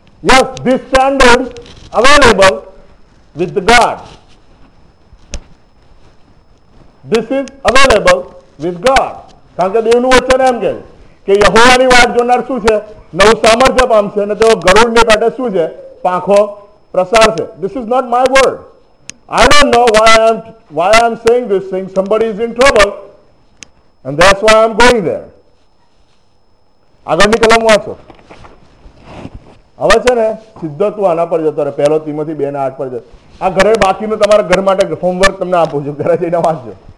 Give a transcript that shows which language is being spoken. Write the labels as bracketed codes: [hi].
[en] Yes, this standard available with God, this is available with God. [gu] કારણ કે દેવનું વચન એમ કહે કે યહોવાની વાત જોનાર શું છે, નવું સામર્થ્ય પામશે અને તેઓ ગરુડની પાટે શું છે, પાંખો પ્રસારશે. [en] This is not my word. I don't know why I am saying this thing. Somebody is in trouble and that's why I am going there. [gu] આગળની કલમ વાંચો. હવે છે ને સીધો તું આના પર જતો રહે, પહેલો તીમોથી 2:8 પર જતો. આ ઘરે બાકીનું તમારા ઘર માટે હોમવર્ક તમને આપું છું, ઘરે જઈને વાંચજો.